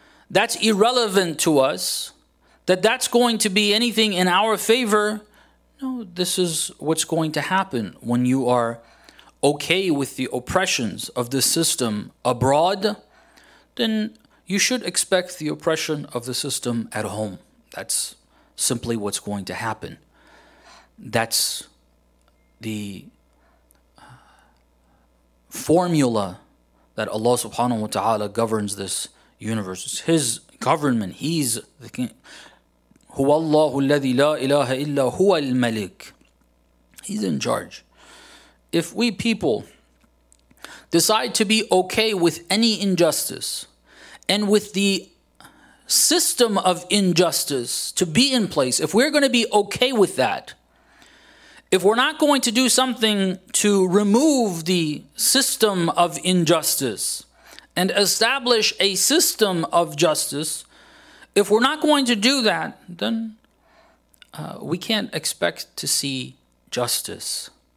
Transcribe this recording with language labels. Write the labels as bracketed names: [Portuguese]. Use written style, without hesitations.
[English] that's irrelevant to us, that that's going to be anything in our favor, no, this is what's going to happen when you are okay with the oppressions of the system abroad, then you should expect the oppression of the system at home. That's simply what's going to happen. That's the formula that Allah subhanahu wa ta'ala governs this universe. It's His government. He's the king. [Arabic] هُوَ اللَّهُ الَّذِي لَا إِلَهَ إِلَّا هُوَ الْمَلِكُ [English] He's in charge. If we people decide to be okay with any injustice and with the system of injustice to be in place, if we're going to be okay with that, if we're not going to do something to remove the system of injustice and establish a system of justice, if we're not going to do that, then we can't expect to see justice.